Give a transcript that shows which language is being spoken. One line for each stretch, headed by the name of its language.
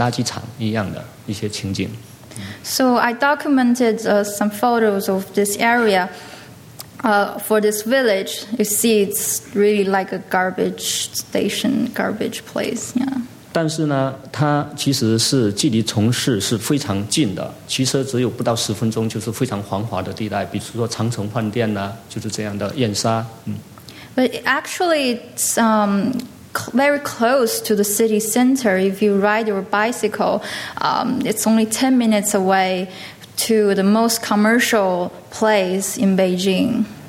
Chinese: 我拍摄了这个不仅仅是一些艺术家，包括这个村庄的一些周围的一些风景，其实它就是一些有点像垃圾场一样的一些情景。So
English: I documented some photos of this area for this village. You see, it's really like a garbage station, garbage place. Yeah.
Chinese: 但是呢，它其实是距离城市是非常近的，骑车只有不到十分钟，就是非常繁华的地带，比如说长城饭店呐，就是这样的燕莎。
English: But actually, it's very close to the city center. If you ride your bicycle, it's only 10 minutes away to the most commercial place in Beijing.